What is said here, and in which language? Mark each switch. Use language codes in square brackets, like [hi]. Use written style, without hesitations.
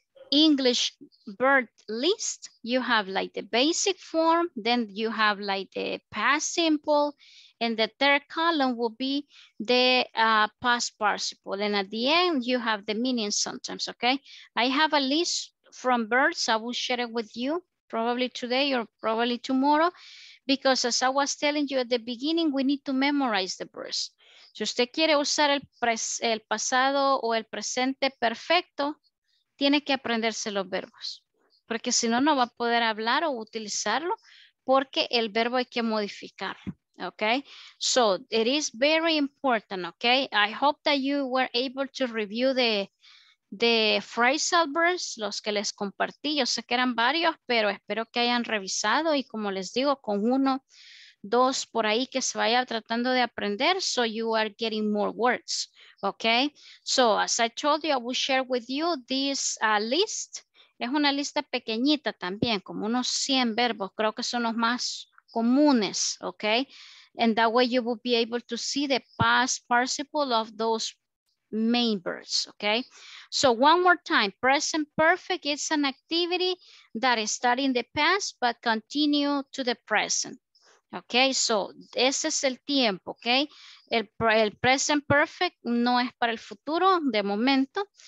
[en] English verb list, you have like the basic form, then you have like the past simple, and the third column will be the past participle. And at the end, you have the meaning sometimes, okay? I have a list from verbs. I will share it with you probably today or probably tomorrow, because as I was telling you at the beginning, we need to memorize the verbs. [es] Si usted quiere usar el pasado o el presente perfecto, tiene que aprenderse los verbos, porque si no, no va a poder hablar o utilizarlo, porque el verbo hay que modificarlo. [en] Okay, so it is very important. Okay, I hope that you were able to review the phrasal verbs, [es] los que les compartí. Yo sé que eran varios, pero espero que hayan revisado y como les digo, con uno, dos por ahí que se vaya tratando de aprender, [en] so you are getting more words. Okay, so as I told you, I will share with you this list. [es] Es una lista pequeñita también, como unos 100 verbos, creo que son los más comunes, okay? [en] And that way you will be able to see the past participle of those main verbs, okay? So one more time, present perfect is an activity that is starting the past but continue to the present. [es] Okay, so ese es el tiempo, okay? El present perfect no es para el futuro, de momento.